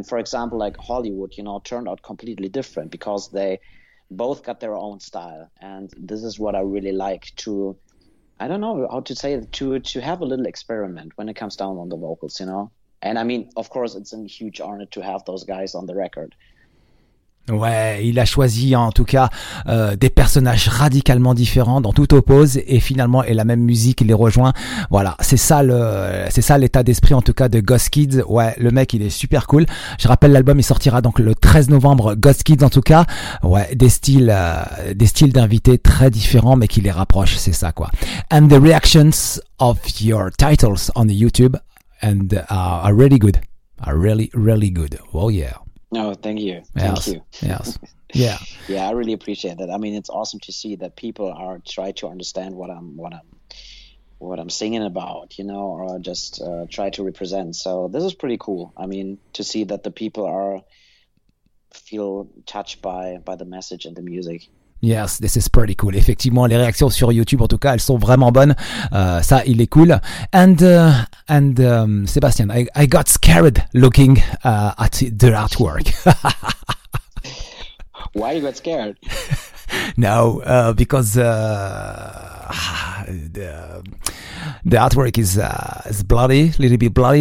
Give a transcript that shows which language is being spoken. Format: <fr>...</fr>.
<en>And for example, like Hollywood, you know, turned out completely different because they both got their own style, and this is what I really like to, I don't know how to say it, to have a little experiment when it comes down on the vocals, you know? And I mean, of course, it's a huge honor to have those guys on the record.</en> <fr>Ouais, il a choisi en tout cas des personnages radicalement différents dans tout oppose, et finalement et la même musique les rejoint. Voilà, c'est ça l'état d'esprit en tout cas de Ghost Kids. Ouais, le mec il est super cool. Je rappelle, l'album il sortira donc le 13 novembre, Ghost Kids en tout cas. Ouais, des styles d'invités très différents mais qui les rapprochent, c'est ça quoi.</fr> <en>And the reactions of your titles on the YouTube and are really good. Are really really good. Oh yeah. No, thank you. Thank you. Yes. Yeah. Yeah, I really appreciate that. I mean, it's awesome to see that people are try to understand what I'm singing about, you know, or just try to represent. So this is pretty cool. I mean, to see that the people are feel touched by the message and the music. Yes, this is pretty cool.</en> <fr>Effectivement, les réactions sur YouTube, en tout cas, elles sont vraiment bonnes. Ça, il est cool.</fr> <en>And Sébastien, I got scared looking at the artwork. Why you got scared? No, because the artwork is bloody, a little bit bloody.</en>